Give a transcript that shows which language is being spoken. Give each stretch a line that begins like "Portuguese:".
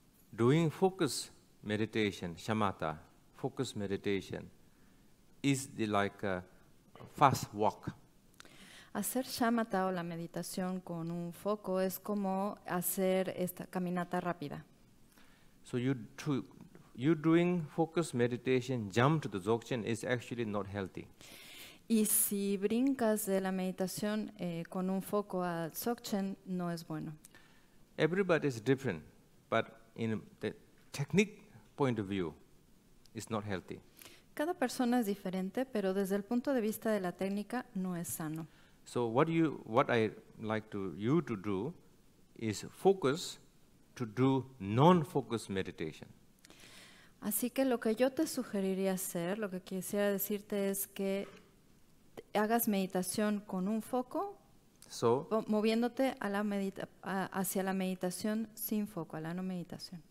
English: Doing focus meditation, shamatha, focus meditation, is the like a fast walk.
Spanish: Hacer shamatha o la meditación con un foco es como hacer esta caminata rápida.
English: So you doing focus meditation, jump to the dzogchen is actually not healthy.
Spanish: Y si brincas de la meditación con un foco a dzogchen, no es bueno.
English: Everybody is different, but in the technique point of view, it's not healthy.
Spanish: Cada persona es diferente, pero desde el punto de vista de la técnica, no es sano.
English: So what I like to you to do is focus to do non-focus meditation.
Spanish: Así que lo que yo te sugeriría hacer, lo que quisiera decirte es que hagas meditación con un foco,
English: so,
Spanish: moviéndote a la hacia la meditación sin foco, a la no meditación.